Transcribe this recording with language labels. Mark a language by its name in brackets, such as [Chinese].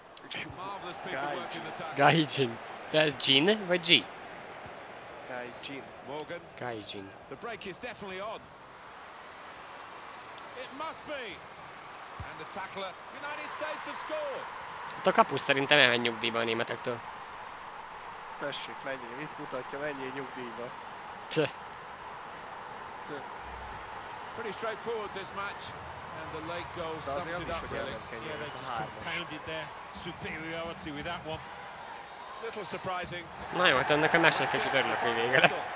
[Japanese] Gaijin. [Hungarian] Gaijin. Tehát Jin vagy Ji? [Japanese] Gaijin. [English] Morgan. [Japanese] Gaijin. [English] The break is definitely on. It must be. And the tackler. United States have scored. [Hungarian] Ott a kapus szerintem elmenj nyugdíjba a németektől. Tessék, menjél, itt mutatja, menjél nyugdíjba. [English] Pretty straightforward this match, and the late goal sums it up really. Yeah, they just compounded their superiority with that one. Little surprising. [Hungarian] Na jó, hát ennek a meccsnek kicsit örülök, hogy vége lett.